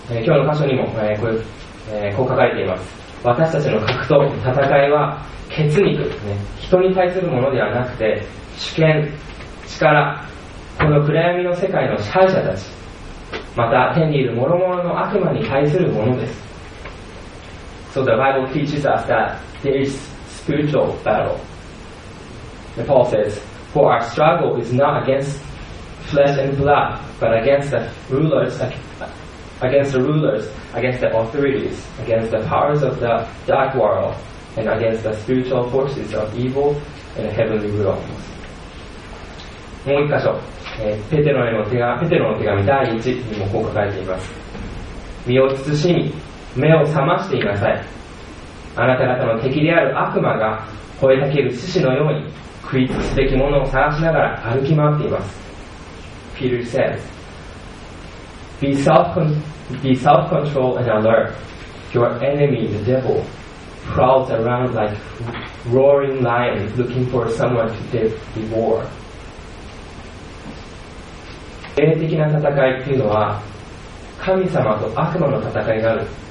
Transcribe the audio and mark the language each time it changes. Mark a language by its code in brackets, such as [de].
[ja] 今日の箇所にも、こう書かれています。私たちの格闘戦いは血肉、人に対するものではなくて、主権、力、この暗闇の世界の支配者たち、また天にいる諸々の悪魔に対するものです。 [en] So the Bible teaches us that there is spiritual battle. The Paul says, For our struggle is not against flesh and blood, but against the rulers, against the authorities, against the powers of the dark world, and against the spiritual forces of evil in the heavenly realms. [ja] もう一箇所、ペテロの手紙第一にもこう書かれています。身を慎み、目を覚ましていなさい。あなた方の敵である悪魔が吠えたける獅子のように食い尽くすべきものを探しながら歩き回っています。 [en] Peter says, be self-controlled and alert. Your enemy, the devil, prowls around like roaring lion looking for someone to devour. [ja] 霊的な戦いというのは神様と悪魔の戦いがある。